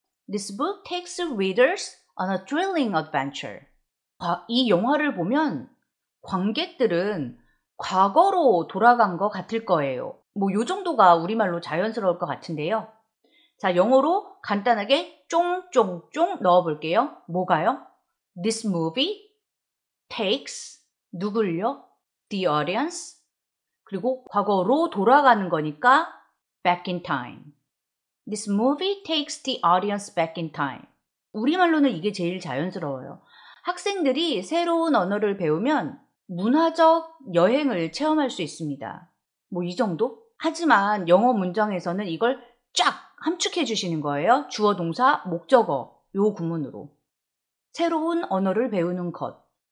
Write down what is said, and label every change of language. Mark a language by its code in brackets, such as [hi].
[en] This book takes readers on a thrilling adventure. [ko] 이 영화를 보면 관객들은 과거로 돌아간 것 같을 거예요. 뭐 요 정도가 우리말로 자연스러울 것 같은데요. 자, 영어로 간단하게 쫑쫑쫑 넣어볼게요. 뭐가요? [en] This movie takes [ko] 누굴요? [en] The audience. [ko] 그리고 과거로 돌아가는 거니까 [en] back in time. This movie takes the audience back in time. [ko] 우리말로는 이게 제일 자연스러워요. 학생들이 새로운 언어를 배우면 문화적 여행을 체험할 수 있습니다. 뭐 이 정도? 하지만 영어 문장에서는 이걸 쫙 함축해 주시는 거예요. 주어, 동사, 목적어 요 구문으로. 새로운 언어를 배우는 것.